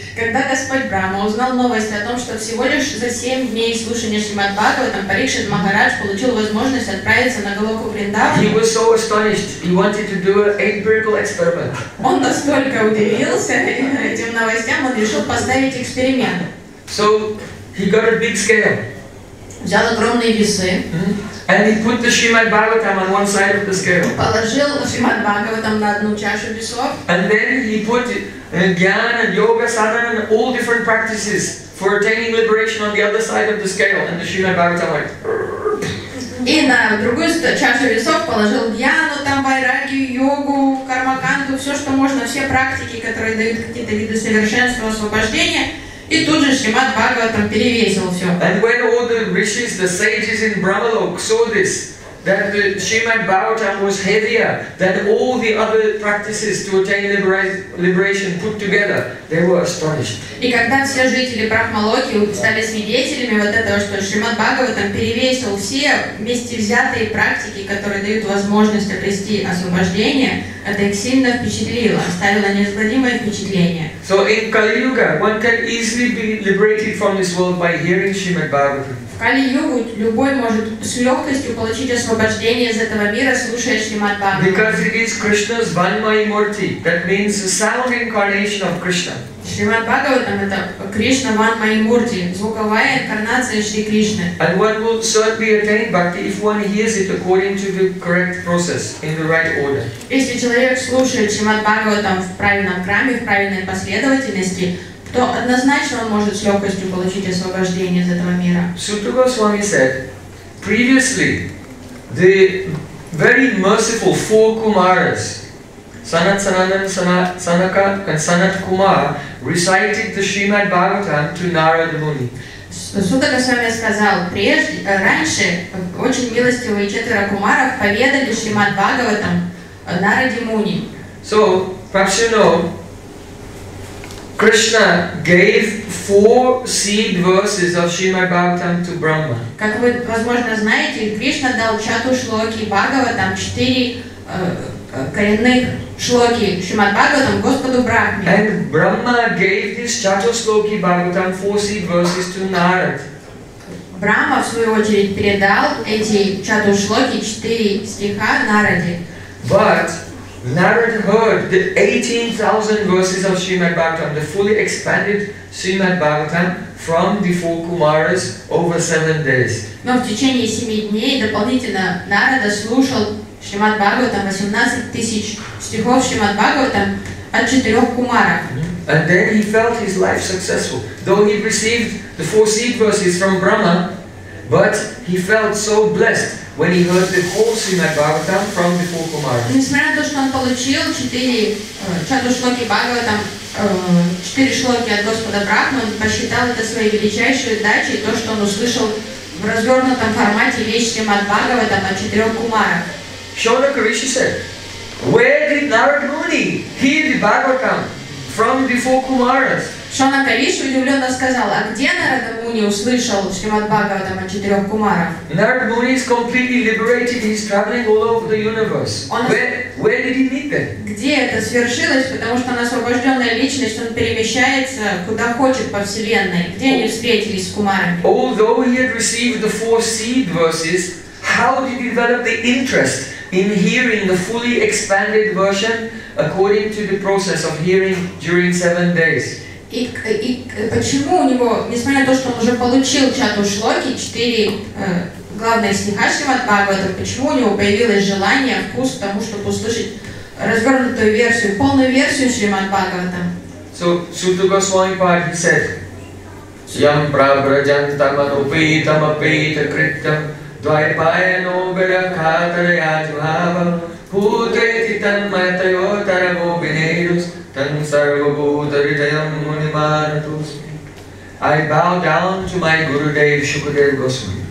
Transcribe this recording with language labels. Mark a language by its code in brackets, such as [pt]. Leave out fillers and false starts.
[ru] Когда Господь Брама узнал новость о том, что всего лишь за 7 дней слушания Шримад Бхагаватам Парикшит Махарадж получил возможность отправиться на Голоку Вриндаван. [en] He was so astonished. He wanted to do an empirical experiment. [ru] Он настолько удивился этим новостям, он решил поставить эксперимент. [en] So he got a big scale. [ru] Взял огромные весы. [en] And he put the Srimad Bhagavatam on one side of the scale. [ru] Положил Шримад Бхагаватам на одну чашу весов. [en] And then he put Gyan and Yoga, Sadhana, and all different practices for attaining liberation on the other side of the scale. And the Srimad Bhagavatam went. [ru] И на другую чашу весов положил дьяну, там вайраги, йогу, кармаканду, все, что можно, все практики, которые дают какие-то виды совершенства, освобождения. И тут же Шримад Бхагаватам перевесил все. [en] And when all the rishis, the sages in Brahmalok saw this, that the Srimad Bhagavatam was heavier than all the other practices to attain liberation put together, they were astonished. [ru] И когда все жители Брахмалоки стали свидетелями вот этого, что Шримад Бхагаватам перевесил все вместе взятые практики, которые дают возможность обрести освобождение, это их сильно впечатлило, оставило неизгладимое впечатление. [en] So in Kali Yuga, one can easily be liberated from this world by hearing Srimad Bhagavatam. [ru] Кали-йогу любой может с легкостью получить освобождение из этого мира, слушая Шримад Бхагаватам. [en] Because it is Krishna's Vanmayi Murti, that means the sound incarnation of Krishna. [ru] Шримад Бхагаватам — это Кришна Ванмайи Мурти, звуковая инкарнация Шри Кришны. [en] And one will certainly attain bhakti if one hears it according to the correct process, in the right order. [ru] Если человек слушает Шримад Бхагаватам в правильном храме, в правильной последовательности, то однозначно он может с легкостью получить освобождение из этого мира. [en] Сутта Госвами said, previously, the very merciful four Kumaras, Sanat Sanandan, Sanaka, and Sanat Kumar, recited the Srimad Bhagavatam to Narada Muni. [ru] Сутта Госвами сказал, раньше очень милостивые четверо кумаров поведали Шримад Бхагаватам Нараде Муни. [en] So, perhaps you know, Krishna gave four seed verses of Srimad Bhagavatam to Brahma. [ru] Как вы, возможно, знаете, Кришна дал чатушлоки Бхагаватам, четыре коренных шлоки Шримад Бхагаватам Господу Брахме. [en] And Brahma gave these чатушлоки Бхагаватам four seed verses to Narad. [ru] Брахма в свою очередь передал эти чатушлоки четыре стиха Нараде. [en] But Narada heard the 18,000 verses of Srimad Bhagavatam, the fully expanded Srimad Bhagavatam from the four Kumaras over 7 days. [ru] Но в течение 7 дней дополнительно Нарада слушал Шримад Бхагаватам 18,000 стихов Шримад Бхагаватам от четырех Кумаров. [en] And then he felt his life successful, though he received the four seed verses from Brahma, but he felt so blessed when he heard the whole Srimad Bhagavatam from the four Kumaras. [ru] Несмотря на то, что он получил четыре чатушлоки Бхагаватам, четыре шлоки от Господа Брахмы, он посчитал это своей величайшей удачей, то, что он услышал в развернутом формате весь Шримад Бхагаватам от четырех Кумаров. [en] Shaunaka Rishi said, where did Narada Muni hear the Bhagavatam from the four Kumaras? [ru] Шонака Риши удивленно сказал, а где Нарада Муни услышал Шримад Бхагаватам от четырех кумаров? [en] Нарада Муни is completely liberated, he's traveling all over the universe. Where did he meet them? [ru] Где это свершилось, потому что он освобожденная личность, он перемещается куда хочет по вселенной. Где они встретились с кумарами? [en] Although he had received the four seed verses, how did he develop the interest in hearing the fully expanded version according to the process of hearing during 7 days? [ru] И почему у него, несмотря на то, что он уже получил чату шлоки, четыре главные стиха Шримад Бхагавата, почему у него появилось желание, вкус к тому, чтобы услышать развернутую версию, полную версию Шримад Бхагавата? [en] So, Sutta Goswami Pad, he said, [sa] Yam prabrajan tamano pita mapita kritam dvaipaya nobila khatarayat bhava putreti tanmatayo taramo vinerus [en] I bow down to my Gurudev Shukadev Goswami.